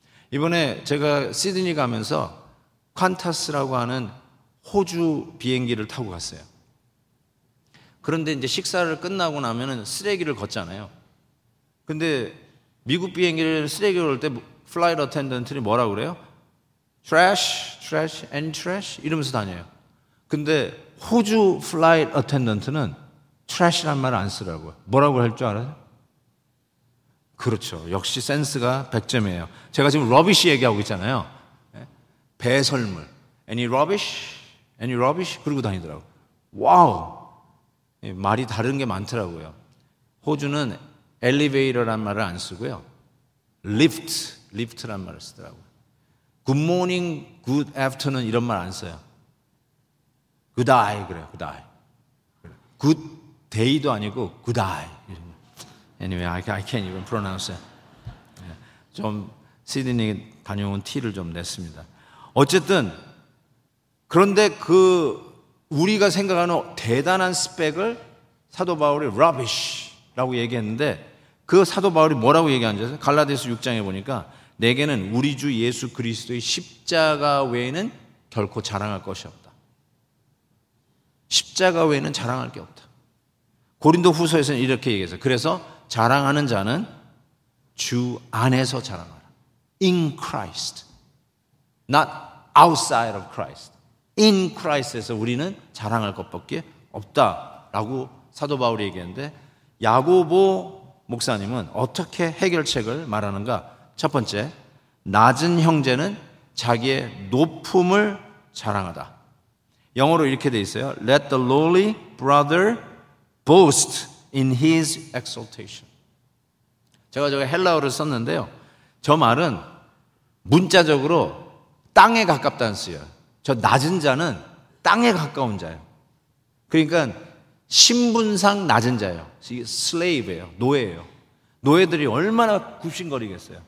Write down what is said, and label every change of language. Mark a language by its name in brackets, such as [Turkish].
[Korean] 이번에 제가 시드니 가면서 퀀타스라고 하는 호주 비행기를 타고 갔어요. 그런데 이제 식사를 끝나고 나면은 쓰레기를 걷잖아요. 근데 미국 비행기를 쓰레기를 걸 때 플라이트 어텐던트들이 뭐라고 그래요? [English] trash, trash and trash [Korean] 이러면서 다녀요. 근데 호주 플라이트 어텐던트는 trash란 말을 안 쓰라고요. 뭐라고 할 줄 알아요? 그렇죠. 역시 센스가 100점이에요. 제가 지금 rubbish 얘기하고 있잖아요. 배설물. [English] Any rubbish? Any rubbish? [Korean] 그러고 다니더라고요. 와우! 말이 다른 게 많더라고요. 호주는 elevator란 말을 안 쓰고요. lift, lift란 말을 쓰더라고요. [English] Good morning, good afternoon [Korean] 이런 말 안 써요. [English] Good eye [Korean] 그래요. [English] Good eye. Good day도 [Korean] 아니고 [English] good eye. Anyway, I can't even pronounce it. [Korean] 좀 시드니 다녀온 티를 좀 냈습니다. 어쨌든 그런데 그 우리가 생각하는 대단한 스펙을 사도 바울이 rubbish라고 얘기했는데 그 사도 바울이 뭐라고 얘기하는지 갈라디아서 6장에 보니까 내게는 우리 주 예수 그리스도의 십자가 외에는 결코 자랑할 것이 없다. 십자가 외에는 자랑할 게 없다. 고린도 후서에서는 이렇게 얘기했어요. 그래서 자랑하는 자는 주 안에서 자랑하라. [English] In Christ. Not outside of Christ. [Korean] In Christ에서 우리는 자랑할 것밖에 없다라고 사도 바울이 얘기했는데 야고보 목사님은 어떻게 해결책을 말하는가? 첫 번째, 낮은 형제는 자기의 높음을 자랑하다. 영어로 이렇게 돼 있어요. [English] Let the lowly brother boast in his exaltation. [Korean] 제가 저거 헬라어를 썼는데요. 저 말은 문자적으로 땅에 가깝다는 뜻이에요. 저 낮은 자는 땅에 가까운 자예요. 그러니까 신분상 낮은 자예요. 이게 슬레이브예요. 노예예요. 노예들이 얼마나 굽신거리겠어요.